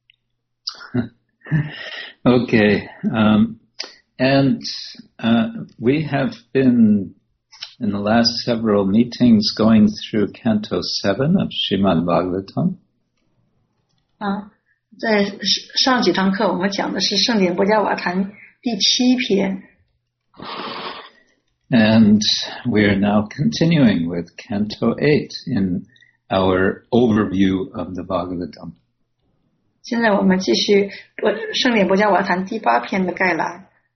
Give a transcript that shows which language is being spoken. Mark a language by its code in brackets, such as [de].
[en] we have been in the last several meetings going through Canto 7 of Srimad Bhagavatam. [zh] 在上几堂课，我们讲的是《圣典波迦瓦坛》第七篇。 [en] And we are now continuing with Canto 8 in our overview of the Bhagavatam. [zh] 现在我们继续圣典波迦瓦坛第八篇的概览。